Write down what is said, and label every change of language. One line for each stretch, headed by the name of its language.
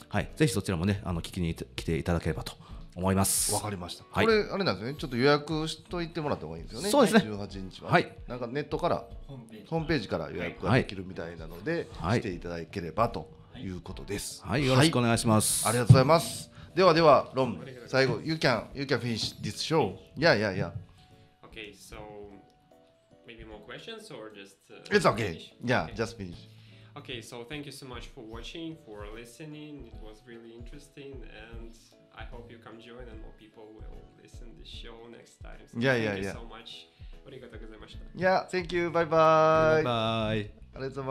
Japanese: はい、ぜひそちらもね、あの聞きに来ていただければと思います。わかりました。これ、はい、あれなんですね、ちょっと予約しといてもらった方がいいんですよね。そうですね、 18日は、はい、なんかネットからホームページから予約ができるみたいなので、はい、していただければということです。はい、はい、よろしくお願いします。ありがとうございます。ではでは、
English: ロン、
Japanese: 最後
English: you can finish this show。 yeah yeah yeah okay, so maybe more questions or just it's okay、finish? yeah okay. just finish okay, so thank you so much for watching, for listening, it was really interesting andI hope you come join and more people will listen to the show next time. So yeah, yeah, yeah. Thank you so much.
Japanese: ありがとうございました。
English: Yeah, thank you. Bye-bye. Bye-bye.
Japanese: ありがとうございます。